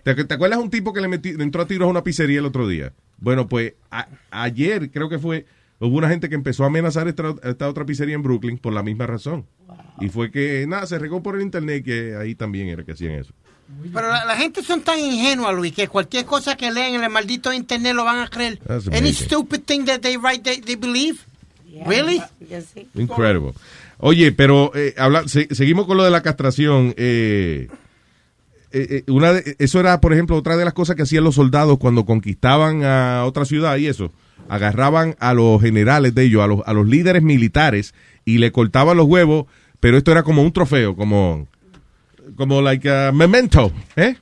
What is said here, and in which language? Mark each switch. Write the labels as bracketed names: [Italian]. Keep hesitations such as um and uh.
[Spanish] ¿Te, ¿Te, acuerdas un tipo que le, metió, le entró a tiros a una pizzería el otro día? Bueno, pues a, ayer creo que fue, hubo una gente que empezó a amenazar esta, esta, otra pizzería en Brooklyn por la misma razón. Wow. Y fue que, nada, se regó por el internet que ahí también era que hacían eso. Pero la, la gente son tan ingenua, Luis, que cualquier cosa que leen en el maldito internet lo van a creer. [English] Any stupid thing that they write, they, they believe. Yeah. Really? Yeah. Incredible. [Spanish] Oye, pero eh, habla, se, seguimos con lo de la castración. Eh, eh, una de, eso era, por ejemplo, otra de las cosas que hacían los soldados cuando conquistaban a otra ciudad y eso agarraban a los generales de ellos, a los, a los, líderes militares, y le cortaban los huevos, pero esto era como un trofeo, como, como [English] like a memento, [Spanish] ¿eh?